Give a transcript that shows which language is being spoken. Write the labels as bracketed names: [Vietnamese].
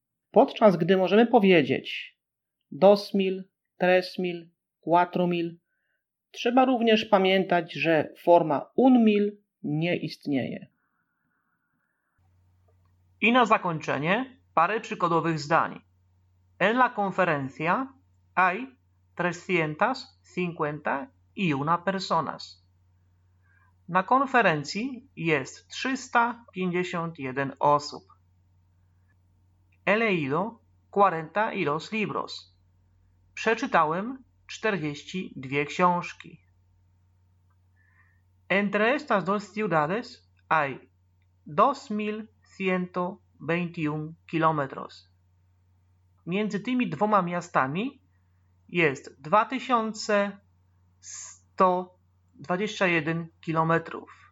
[Polish] Podczas gdy możemy powiedzieć [Spanish] dos mil, tres mil, cuatro mil, [Polish] trzeba również pamiętać, że forma [Spanish] un mil [Polish] nie istnieje. I na zakończenie parę przykładowych zdań. [Spanish] En la conferencia hay 351 personas. [Polish] Na konferencji jest 351 osób. [Spanish] He leído 42 libros. [Polish] Przeczytałem 42 książki. [Spanish] Entre estas dos ciudades hay 2121 kilómetros. [Polish] Między tymi dwoma miastami jest 2121 kilómetros.